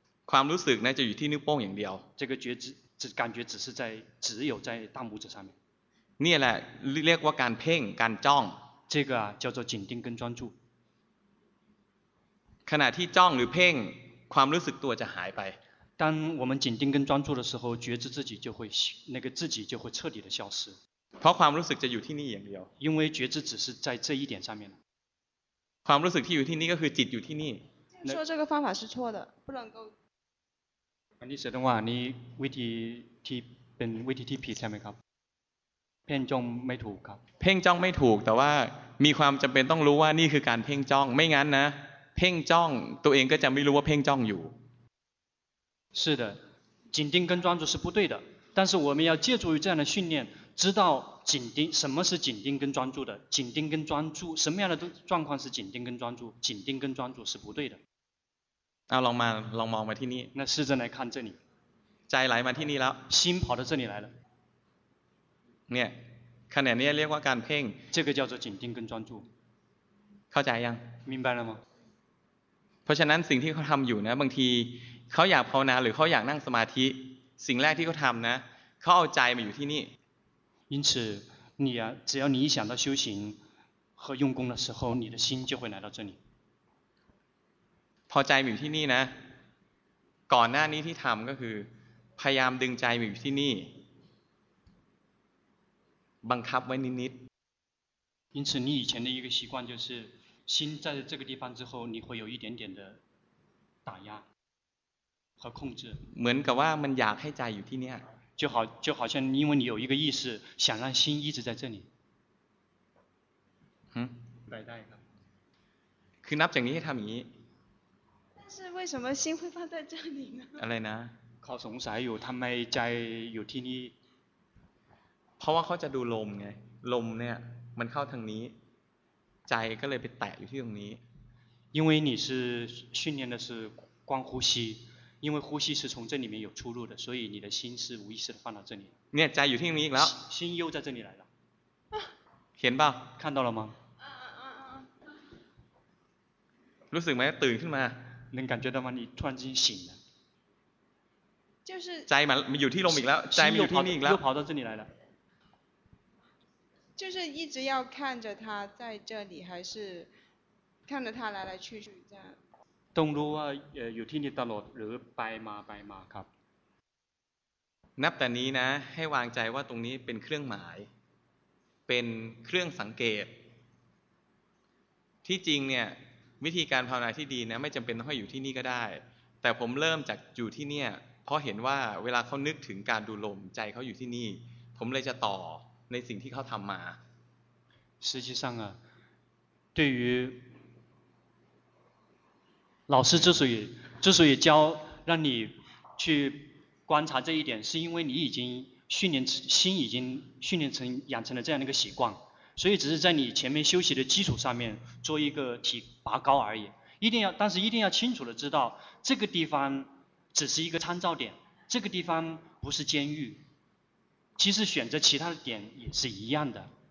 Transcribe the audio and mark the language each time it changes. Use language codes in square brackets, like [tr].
[th] ความรู้สึกนะจะอยู่ที่นิ้วโป้งอย่างเดียว [zh] 这个觉知这感觉只是在只有在大拇指上面 [th] นี่แหละเรียกว่าการเพ่งการจ้อง [zh] 这个叫做紧盯跟专注 [th] ขณะที่จ้องหรือเพ่งความรู้สึกตัวจะหายไป [zh] 当我们紧盯跟专注的时候觉知自己就会那个自己就会彻底的消失 [th] เพราะความรู้สึกจะอยู่ที่นี่อย่างเดียว [zh] 因为觉知只是在这一点上面 [th] ความรู้สึกที่อยู่ที่นี่ก็คือจิตอยู่ที่นี่ [zh] 说这个方法是错的不能够 [th] อันนี้แสดงว่านี่วิธีที่เป็นวิธีที่ผิดใช่ไหมครับเพ่งจ้องไม่ถูกครับ เพ่งจ้องไม่ถูกแต่ว่ามีความจำเป็นต้องรู้ว่านี่คือการเพ่งจ้องไม่งั้นนะเพ่งจ้องตัวเองก็จะไม่รู้ว่าเพ่งจ้องอยู่ [zh] 是的紧盯跟专注是不对的但是我们要借助于这样的训练知道紧盯什么是紧盯跟专注的紧盯跟专注什么样的状况是紧盯跟专注紧盯跟专注是不对的 [th] เอาลองมาลองมองมาที่นี่ [zh] 那试着来看这里 [th] ใจไหลมาที่นี่แล้ว [zh] 心跑到这里来了 [th] เนี่ยขณะนี้เรียกว่าการเพ่ง [zh] 这个叫做紧盯跟专注 [th] เข้าใจยัง [zh] 明白了吗 [th] เพราะฉะนั้นสิ่งที่เขาทำอยู่นะบางทีเขาอยากภาวนาหรือเขาอยากนั่งสมาธิสิ่งแรกที่เขาทำนะเขาเอาใจมาอยู่ที่นี่ [zh] 因此你啊只要你一想到修行和用功的时候你的心就会来到这里 [th] พอใจมีอยู่ที่นี่นะก่อนหน้านี้ที่ทำก็คือพยายามดึงใจมีอยู่ที่นี่บังคับไว้นิด [zh] ๆ因此你以前的一个习惯就是心在这个地方之后你会有一点点的打压和控制 [th] เหมือนกับว่ามันอยากให้ใจอยู่ที่เนี่ย [zh] 就好像因为你有一个意识想让心一直在这里 [th] ได้ครับ คือนับจากนี้ให้ทำอย่างนี้ [zh] 但是为什么心会放在这里呢？ [th] อะไรนะ？ เขาสงสัยอยู่ทำไมใจอยู่ที่นี่เพราะว่าเขาจะดูลมไงลมเนี่ยมันเข้าทางนี้ใจก็เลยไปแตะอยู่ที่ตรงนี้ [zh] 因为你是训练的是光呼吸因为呼吸是从这里面有出入的所以你的心是无意识的放到这里 [th] เนี่ยใจอยู่ที่ตรงนี้อีกแล้ว [zh] 心又在这里来了 [th] เห็นป่ะ [zh] 看到了吗 [th] รู้สึกไหมตื่นขึ้นมา [zh] 能感觉到吗你突然间醒了就是 [th] ใจมันอยู่ที่ลมอีกแล้วใจมันอยู่ที่นี่อีกแล้ว [zh] 又跑到这里来了就是一直要看着他在这里还是看着他来来去去这样 [th] ต้องรู้ว่าอยู่ที่นี่ตลอดหรือไปมาไปมาครับ นับแต่นี้นะให้วางใจว่าตรงนี้เป็นเครื่องหมายเป็นเครื่องสังเกตที่จริงเนี่ยวิธีการภาวนาที่ดีนะไม่จำเป็นต้องให้อยู่ที่นี่ก็ได้แต่ผมเริ่มจากอยู่ที่เนี่ยเพราะเห็นว่าเวลาเขานึกถึงการดูลมใจเขาอยู่ที่นี่ผมเลยจะต่อในสิ่งที่เขาทำมา [zh] 实际上啊对于老师之所以教让你去观察这一点是因为你已经训练心已经训练成养成了这样的一个习惯所以只是在你前面休息的基础上面做一个提拔高而已一定要但是一定要清楚的知道这个地方只是一个参照点这个地方不是监狱其实选择其他的点也是一样的